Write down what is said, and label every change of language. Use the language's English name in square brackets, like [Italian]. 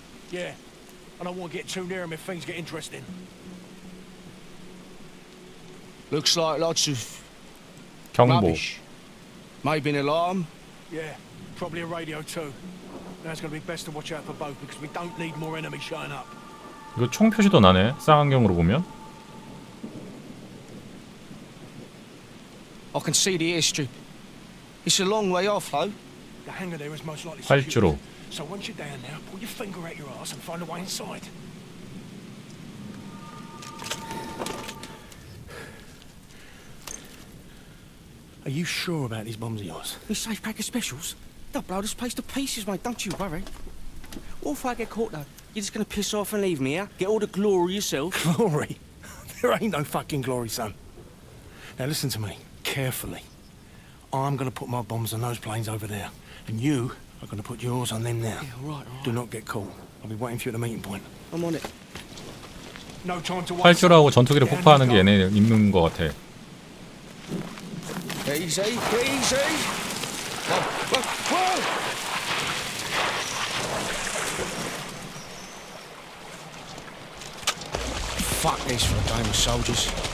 [English] Yeah, and I won't get too near them if things get interesting. Looks like lots of [Korean] 경보. [English] rubbish. Maybe an alarm. Yeah, probably a radio too. Now it's gonna be best to watch out for both because we don't need more enemies showing up. [Korean] 이거 총 표시도 나네, 쌍안경으로 보면. [English] I can see the airstrip. It's a long way off, though. The hangar there is most likely secure. 활주로. So once you're down there, pull your finger out your ass and find a way inside. Are you sure about these bombs of yours? These safe pack of specials? They'll blow this place to pieces, mate. Don't you worry. What if I get caught, though? You're just gonna piss off and leave me, eh? Get all the glory yourself. Glory? There ain't no fucking glory, son. Now listen to me. Carefully. I'm gonna put my bombs on those planes over there, and you are gonna put yours on them there. Yeah, right. Do not get caught. I'll be waiting for you at the meeting point. I'm on it. No time to waste. [Korean] 활주로하고 전투기를 폭파하는 게 얘네 임무인 것 같아. [English] Easy, easy. Fuck this for a game of soldiers.